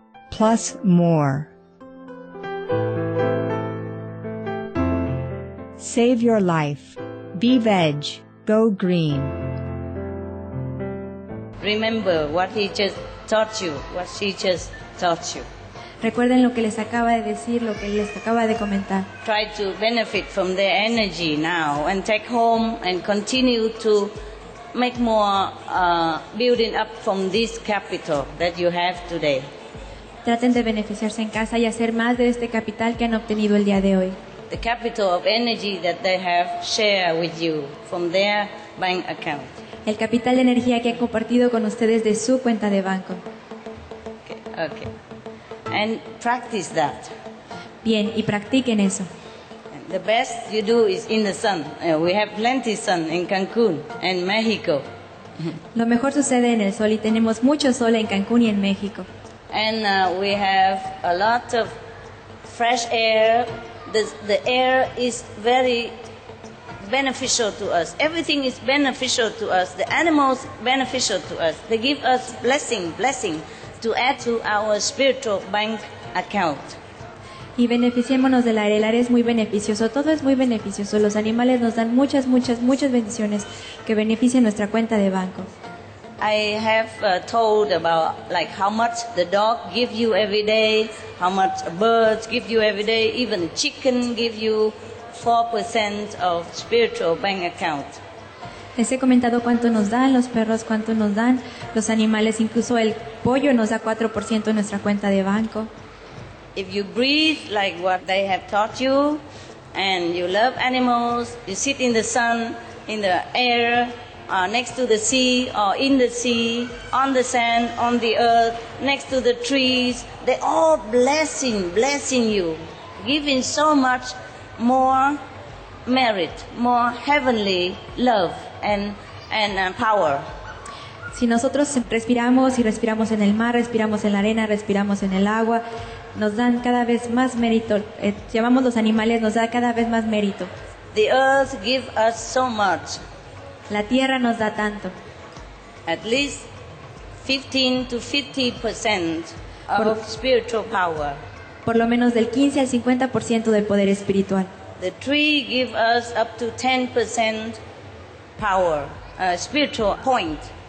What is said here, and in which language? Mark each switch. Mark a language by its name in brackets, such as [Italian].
[English] Plus more. Save your life. Be veg. Go green. Remember what he just taught you, what she just taught you. [Spanish] Recuerden lo que les acaba de decir, lo que les acaba de comentar. [English] Try to benefit from their energy now and take home and continue to make more building up from this capital that you have today. [Spanish] Traten de beneficiarse en casa y hacer más de este capital que han obtenido el día de hoy. [English] The capital of energy that they have shared with you from their bank account. [Spanish] El capital de energía que han compartido con ustedes de su cuenta de banco. [English] Okay. And practice that. [Spanish] Bien, y practiquen eso. [English] The best you do is in the sun. We have plenty sun in Cancun and Mexico. [Spanish] Lo mejor sucede en el sol y tenemos mucho sol en Cancún y en México. [English] And we have a lot of fresh air the air is very beneficial to us. Everything is beneficial to us. The animals beneficial to us. They give us blessing to add to our spiritual bank account. [Spanish] Y beneficiémonos del aire. El aire es muy beneficioso. Todo es muy beneficioso. Los animales nos dan muchas bendiciones que benefician nuestra cuenta de banco. [English] I have told about like how much the dog give you every day, how much birds give you every day, even chicken give you 4% of spiritual bank account. [Spanish] Les he comentado cuánto nos dan los perros, cuánto nos dan los animales, incluso el pollo nos da 4% de nuestra cuenta de banco. [English] If you breathe like what they have taught you and you love animals, you sit in the sun, in the air, next to the sea or in the sea, on the sand, on the earth, next to the trees, they all blessing you, giving so much more merit, more heavenly love and power. [Spanish] Si nosotros respiramos y respiramos en el mar, respiramos en la arena, respiramos en el agua, nos dan cada vez más mérito. Llamamos los animales, nos da cada vez más mérito. [English] The earth gives us so much. [Spanish] La tierra nos da tanto. [English] At least 15 to 50% of spiritual power. [Spanish] Por lo menos del 15 al 50% del poder espiritual. [English] The tree gives us up to 10% power, spiritual point.